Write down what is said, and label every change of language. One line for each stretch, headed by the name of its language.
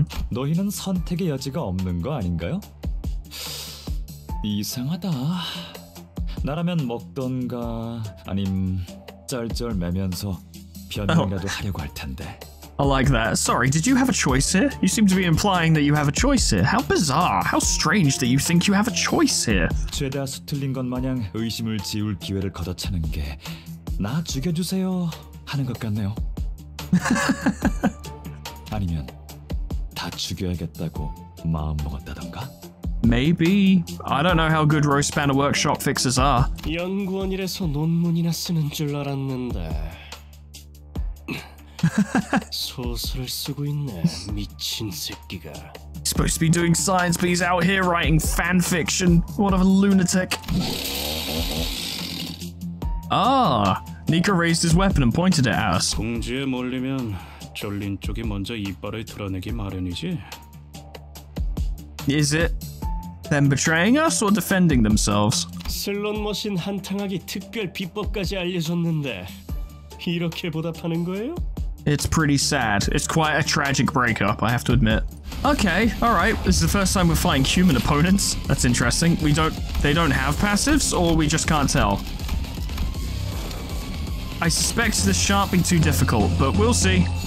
Korean: 너희는 선택의 여지가 없는 거 아닌가요? 이상하다. 나라면 먹던가 아님 쩔쩔매면서 변명이라도 하려고 할 텐데.
English: I like that. Sorry, did you have a choice here? You seem to be implying that you have a choice here. How bizarre. How strange that you think you have a choice here.
Korean: 죄다 수틀린 것 마냥 의심을 지울 기회를 걷어차는 게 나 죽여주세요 하는 것 같네요. 아니면 다 죽여야겠다고 마음 먹었다던가?
English: Maybe. I don't know how good roast banner workshop fixes are.
Korean: 연구원이라서 논문이나 쓰는 줄 알았는데. 소설을 쓰고 있네, 미친 새끼가.
English: He's supposed to be doing science, but he's out here writing fan fiction. What a lunatic. Ah, Nika raised his weapon and pointed at us.
Korean: 공주에 몰리면 졸린 쪽이 먼저 이빨을 드러내기 마련이지.
English: Is it them betraying us or defending themselves?
Korean: 슬롯 머신 한탕하기 특별 비법까지 알려줬는데 이렇게 보답하는 거예요?
English: It's pretty sad. It's quite a tragic breakup, I have to admit. Okay, all right. This is the first time we're fighting human opponents. That's interesting. They don't have passives, or we just can't tell. I suspect this shan't be too difficult, but we'll see.